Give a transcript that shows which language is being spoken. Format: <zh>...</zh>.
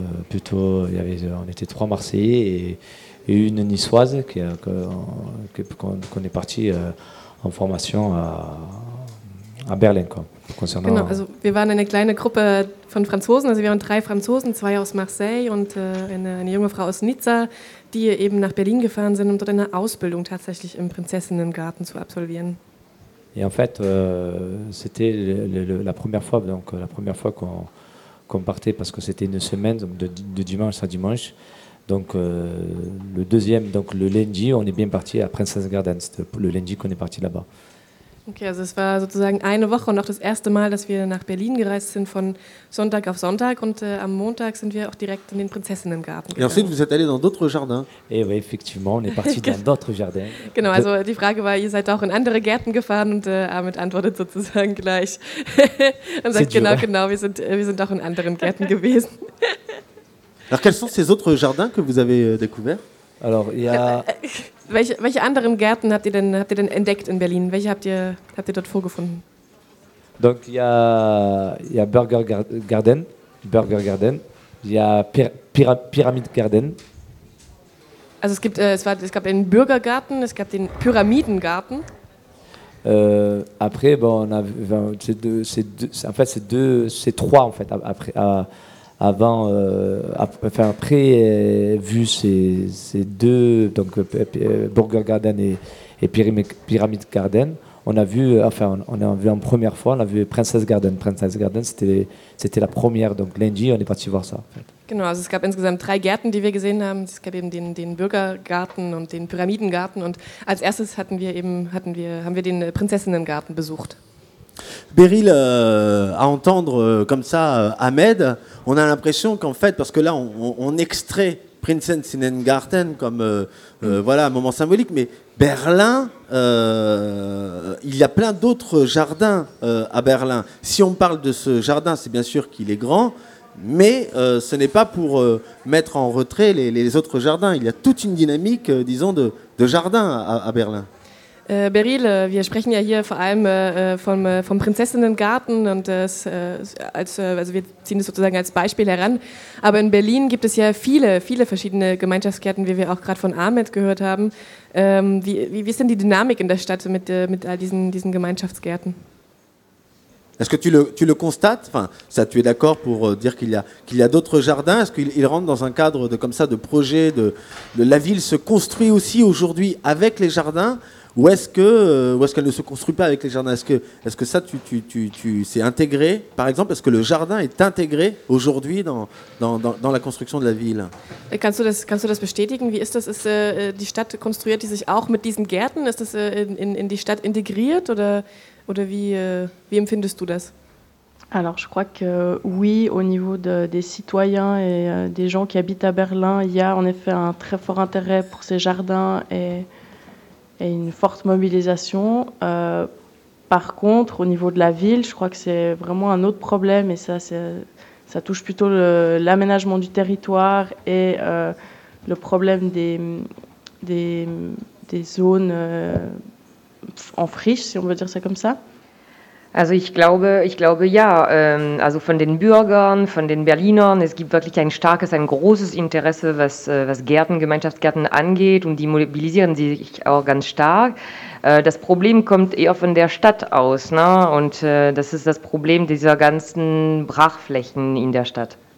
<fr>Plutôt, on était trois Marseillais et une Niçoise qu'on est parti en formation à Berlin, quoi.</fr> <de>Genau, also wir waren eine kleine Gruppe von Franzosen, also wir waren drei Franzosen, zwei aus Marseille und eine junge Frau aus Nizza, die eben nach Berlin gefahren sind, um dort eine Ausbildung tatsächlich im Prinzessinnengarten zu absolvieren.</de> <fr>Et en fait, c'était la première fois, donc la première fois qu'on partait, parce que c'était une semaine, donc de dimanche à dimanche. Donc le deuxième, donc le lundi, on est bien parti à Prinzessinnengarten, c'était le lundi qu'on est parti là-bas.</fr> <de>Okay, also es war sozusagen eine Woche und auch das erste Mal, dass wir nach Berlin gereist sind von Sonntag auf Sonntag und am Montag sind wir auch direkt in den Prinzessinnengarten gegangen.</de> <fr>Et ensuite, vous êtes allé dans d'autres jardins. Et oui, effectivement, on est parti dans d'autres jardins.</fr> <de>Genau, also die Frage war, ihr seid auch in andere Gärten gefahren und Ahmed antwortet sozusagen gleich. Und sagt, genau, wir sind auch in anderen Gärten gewesen.</de> <fr>Alors, quels sont ces autres jardins que vous avez découverts? Alors, il y a...</fr> <de>Welche anderen Gärten habt ihr denn entdeckt in Berlin? Welche habt ihr dort vorgefunden?</de> <fr>Donc il y a Burger Garden, il y a Pyramid Garden.</fr> <de>Also es gab den Bürgergarten, es gab den Pyramidengarten.</de> <fr>Après bon on a c'est trois en fait après avant, enfin après, vu ces deux, donc Burger Garden et Pyramid Garden, on a vu en première fois, on a vu Princess Garden. Princess Garden, c'était la première, donc lundi, on est parti voir ça. En fait.</fr> <de>Genau, also es gab insgesamt drei Gärten, die wir gesehen haben. Es gab eben den Bürgergarten und den Pyramidengarten. Und als erstes haben wir den Prinzessinnengarten besucht.</de> <fr>Beryl, à entendre comme ça Ahmed, on a l'impression qu'en fait, parce que là on extrait Princess in den Garten comme voilà, un moment symbolique, mais Berlin, il y a plein d'autres jardins à Berlin. Si on parle de ce jardin, c'est bien sûr qu'il est grand, mais ce n'est pas pour mettre en retrait les autres jardins. Il y a toute une dynamique, disons, de jardin à Berlin.</fr> <de>Beryl, wir sprechen ja hier vor allem vom Prinzessinnengarten und das, also wir ziehen das sozusagen als Beispiel heran. Aber in Berlin gibt es ja viele, viele verschiedene Gemeinschaftsgärten, wie wir auch gerade von Ahmed gehört haben. Wie ist denn die Dynamik in der Stadt mit all diesen Gemeinschaftsgärten?</de> <fr>Est-ce que tu le constates? Enfin, ça, tu es d'accord pour dire qu'il y a d'autres jardins? Est-ce qu'ils rentrent dans un cadre de comme ça de projet de la ville se construit aussi aujourd'hui avec les jardins? Ou est-ce qu'elle ne se construit pas avec les jardins? Est-ce que ça, tu c'est intégré? Par exemple, est-ce que le jardin est intégré aujourd'hui dans la construction de la ville?</fr> <de>Kannst du das bestätigen? Wie ist das? Ist die Stadt konstruiert die sich auch mit diesen Gärten? Ist das in die Stadt integriert oder wie empfindest du das?</de> <fr>Alors, je crois que oui, au niveau des citoyens et des gens qui habitent à Berlin, il y a en effet un très fort intérêt pour ces jardins et une forte mobilisation. Par contre, au niveau de la ville, je crois que c'est vraiment un autre problème, et ça touche plutôt l'aménagement du territoire et le problème des zones en friche, si on veut dire ça comme ça.</fr> <de>Also ich glaube ja, also von den Bürgern, von den Berlinern, es gibt wirklich ein starkes, ein großes Interesse, was Gärten, Gemeinschaftsgärten angeht, und die mobilisieren sich auch ganz stark. Das Problem kommt eher von der Stadt aus, ne? Und das ist das Problem dieser ganzen Brachflächen in der Stadt.</de>